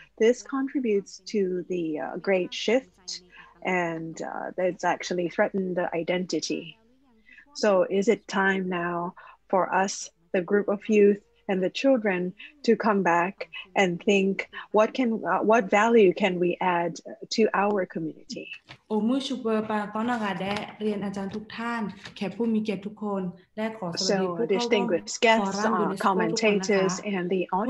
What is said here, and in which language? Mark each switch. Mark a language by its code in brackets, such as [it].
[en] This contributes to the great shift and that's actually threatened the identity. So is it time now for us, the group of youthand the children to come back and think what can what value can we add to our community โอมุชุบะปาตอนากาแด [th] เรียนอาจารย์ทุกท่านแขกผู้มีเกียรติทุกคนและขอสวัสดีผู้เข้าร่วม [en] distinguished guests and commentators and the audience